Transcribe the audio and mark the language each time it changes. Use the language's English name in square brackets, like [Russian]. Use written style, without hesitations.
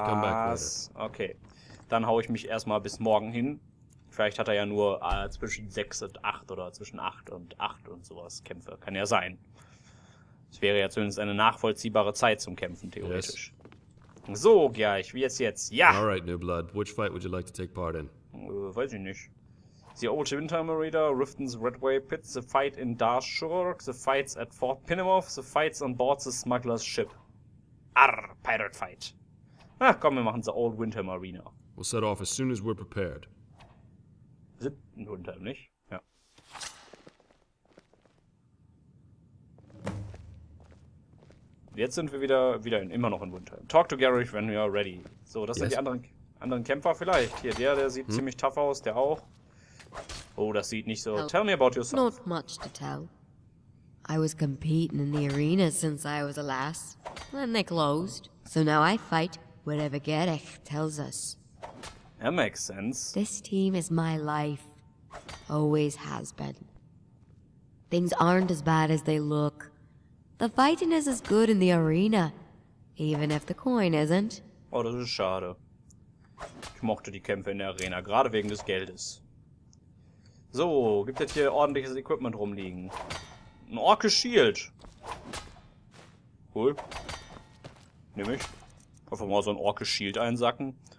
[German] Was? [English] Come back later. Okay. [German] Dann haue ich mich erstmal bis morgen hin. Vielleicht hat er ja nur zwischen 6 und 8 oder zwischen 8 und 8 und sowas Kämpfe. Kann ja sein. Es wäre ja zumindest eine nachvollziehbare Zeit zum Kämpfen, theoretisch. [English] Yes. [German] So, Gerlich, wie jetzt? Ja! [English] Alright, New Blood. Which fight would you like to take part in? [German] Weiß ich nicht. [English] The Old Windtimer Raider, Riften's Redway Pit, the fight in Darshurk, the fights at Fort Pinnemouth, the fights on board the Smuggler's Ship. Arr, Pirate Fight. [German] Na komm, wir machen The Old Windtimer Arena. [English] We'll set off as soon as we're prepared. [German] Siebten Windtimer, nicht? Ja. Jetzt sind wir wieder in, immer noch in Windtimer. [English] Talk to Gerlich when you are ready. [German] So, das [English] yes. [German] sind die anderen Kämpfer vielleicht. Hier, der sieht ziemlich tough aus, der auch. Oh, das sieht nicht so. [English] Well, tell me about yourself. Not much to tell. I was competing in the arena since I was a lass. Then they closed. So now I fight whatever Gerlich tells us. That makes sense. This team is my life. Always has been. Things aren't as bad as they look. The fighting is as good in the arena. Even if the coin isn't. [German] Oh, das ist schade. Ich mochte die Kämpfe in der Arena, gerade wegen des Geldes. So, gibt es hier ordentliches Equipment rumliegen? Ein Orcus Shield. Cool. Nehme ich. Einfach mal so ein Orcus Shield einsacken.